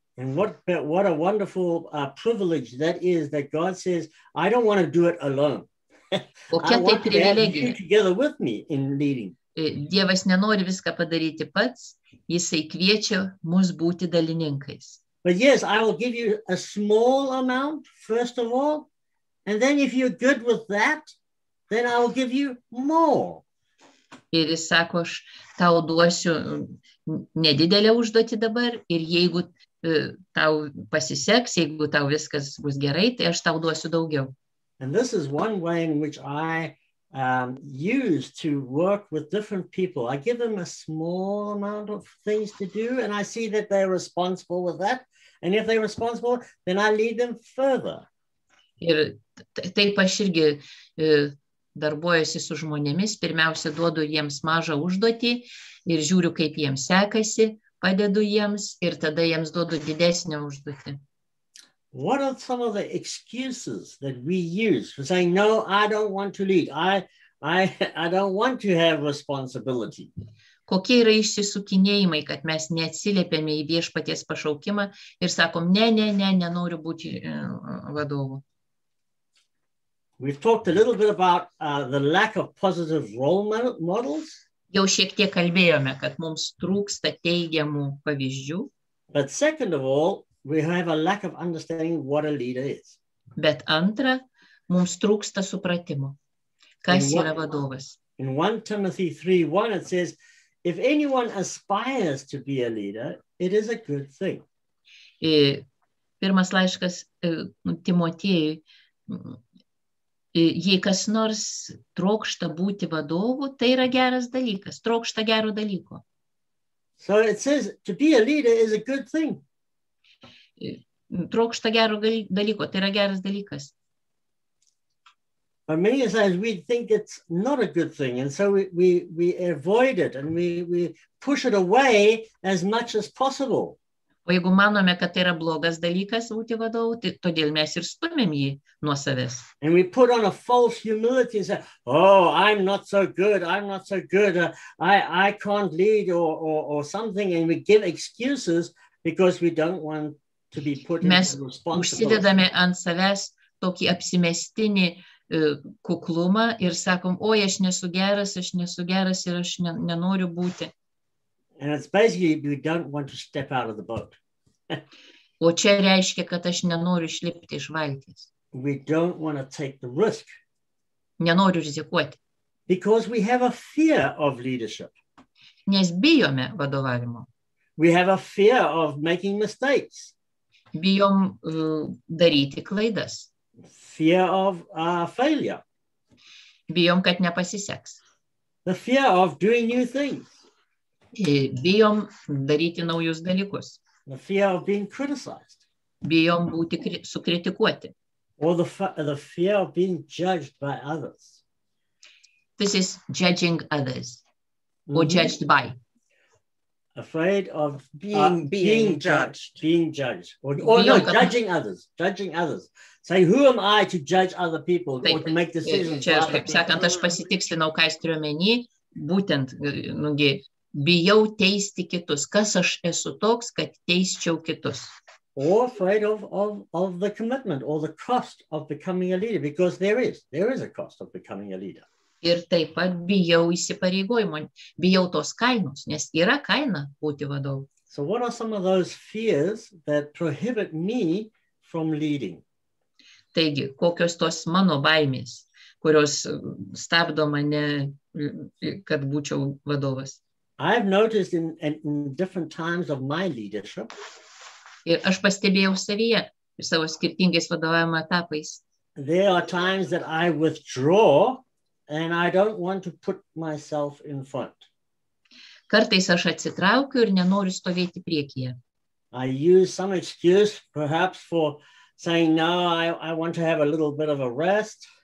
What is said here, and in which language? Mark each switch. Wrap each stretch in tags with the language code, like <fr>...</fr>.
<en>And what a wonderful privilege that is that God says, I don't want to do it alone.</en> <lt>Kokia tai privilegija.</lt> <en>Together with me in leading.</en> <lt>Dievas nenori viską padaryti pats, jisai kviečia mus būti dalininkais.</lt> <en>But yes, I will give you a small amount, first of all, and then if you're good with that, then I will give you more.</en> <lt>Ir jis sako, aš tau duosiu nedidelę užduotį dabar, ir jeigu tau pasiseks, jeigu tau viskas bus gerai, tai aš tau duosiu daugiau.</lt> <en>And this is one way in which I use to work with different people. I give them a small amount of things to do and I see that they're responsible with that. And if they're responsible, then I lead them further.</en> <lt>Ir Taip aš irgi darbuojasi su žmonėmis, pirmiausia, duodu jiems mažą užduotį ir žiūriu, kaip jiems sekasi, padedu jiems ir tada jiems duodu didesnę užduotį.</lt> <en>What are some of the excuses that we use for saying, no, I don't want to lead, I don't want to have responsibility?</en> <lt>Kokie yra išsisukinėjimai, kad mes neatsiliepėme į viešpaties pašaukimą ir sakom, nenoriu būti vadovu.</lt> <en>We've talked a little bit about the lack of positive role models.</en> <lt>Jau šiek tiek kalbėjome, kad mums trūksta teigiamų pavyzdžių.</lt> <en>But second of all, we have a lack of understanding what a leader is.</en> <lt>Bet antra, mums trūksta supratimo, kas yra vadovas.</lt> <en>In 1 Timothy 3:1 it says, if anyone aspires to be a leader, it is a good thing.</en> <lt>Pirmas laiškas Timotiejui. Jei kas nors trokšta būti vadovu, tai yra geras dalykas, trokšta gero dalyko.</lt> <en>So it says to be a leader is a good thing.</en> <lt>Trokšta gero dalyko, tai yra geras dalykas.</lt> <en>But many of us, we think it's not a good thing, and so we avoid it, and we push it away as much as possible.</en> <lt>O jeigu manome, kad tai yra blogas dalykas būti vadovu, tai todėl mes ir stumėm jį nuo savęs.</lt> <en>And we put on a false humility and say, oh, I'm not so good, I can't lead or something, and we give excuses because we don't want to be put</en> <lt>mes</lt> <en>in responsibility.</en> <lt>Mes užsidedame ant savęs tokį apsimestinį kuklumą ir sakom, oi, aš nesu geras ir aš nenoriu būti.</lt> <en>And it's basically you don't want to step out of the boat.</en> <lt>O čia reiškia, kad aš nenoriu išlipti iš valties.</lt> <en>We don't want to take the risk.</en> <lt>Nenoriu rizikuoti.</lt> <en>Because we have a fear of leadership.</en> <lt>Nes bijome vadovavimo.</lt> <en>We have a fear of making mistakes.</en> <lt>Bijom daryti klaidas.</lt> <en>Fear of failure.</en> <lt>Bijom, kad nepasiseks.</lt> <en>The fear of doing new things.</en> <lt>Bijom daryti naujus dalykus.</lt> <en>The fear of being criticized.</en> <lt>Bijom būti sukritikuoti.</lt> <en>Or the fear of being judged by others. This is judging others. Mm-hmm. Or judged by. Afraid of being judged. Judging others. Judging others. Say, who am I to judge other people?</en> <lt>Taip,</lt> <en>or to make decisions?</en> <lt>Čia, kaip sakant, aš pasitikslinau, ką jis turi omeny, būtent, nugi, bijau teisti kitus. Kas aš esu toks, kad teisčiau kitus?</lt> <en>Or afraid of the commitment or the cost of becoming a leader, because there is a cost of becoming a leader.</en> <lt>Ir taip pat bijau įsipareigojimo, bijau tos kainos, nes yra kaina būti vadovu.</lt> <en>So what are some of those fears that prohibit me from leading?</en> <lt>Taigi, kokios tos mano baimės, kurios stabdo mane, kad būčiau vadovas?</lt> <en>I have noticed in different times of my leadership.</en> <lt>Ir aš pastebėjau savyje, savo skirtingais vadovavimo etapais.</lt> <en>There are times that I withdraw and I don't want to put myself in front.</en> <lt>Kartais aš atsitraukiu ir nenoriu stovėti priekyje.</lt> <en>I use some excuse perhaps for saying no, I want to have a little bit of a rest.</en>